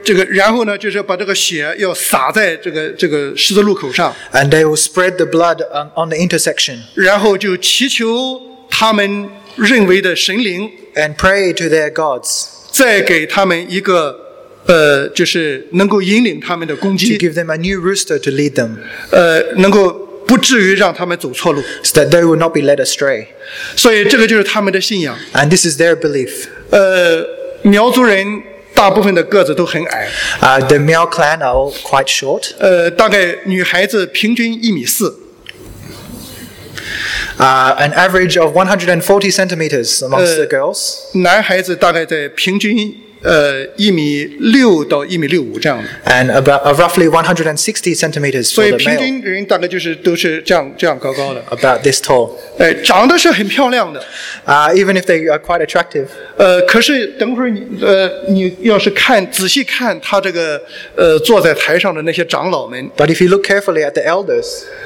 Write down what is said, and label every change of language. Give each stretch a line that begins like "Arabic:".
Chinese: 然后呢，就是把这个血要洒在这个十字路口上。
English: And they will spread the blood on the intersection.
Chinese: 然后就祈求他们认为的神灵。
English: And pray to their gods.
Chinese: 再给他们一个就是能够引领他们的攻击。
English: To give them a new rooster to lead them.
Chinese: 能够不至于让他们走错路。
English: So that they will not be led astray.
Chinese: 所以这个就是他们的信仰。
English: And this is their belief.
Chinese: 苗族人大部分的个子都很矮。
English: The Miao clan are all quite short.
Chinese: 大概女孩子平均一米四。
English: An average of 140 centimeters amongst the girls.
Chinese: 男孩子大概在平均一米六到一米六五这样的。
English: And about roughly 160 centimeters for the male.
Chinese: 所以平均人大概就是都是这样高高的。
English: About this tall.
Chinese: 长得是很漂亮的。
English: Even if they are quite attractive.
Chinese: 可是等会儿你要是看仔细看他这个坐在台上的那些长老们。
English: But if you look carefully at the elders.